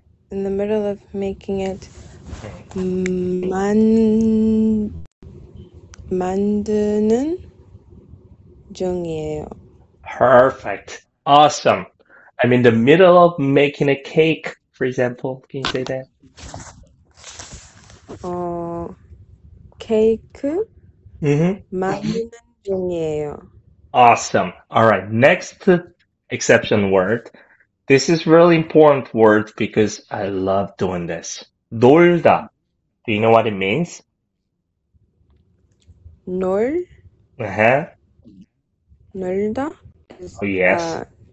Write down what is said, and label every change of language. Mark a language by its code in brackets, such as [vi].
[en] In the middle of making it. [ko] 만드는 중이에요. [en] Perfect. Awesome. I'm in the middle of making a cake, for example. Can you say that? [ko] 케이크 만드는 중이에요. [en] Awesome. All right. Next exception word. This is really important word because I love doing this. 놀다. Do you know what it means? [ko] 놀? 놀다? [en] Oh, yes.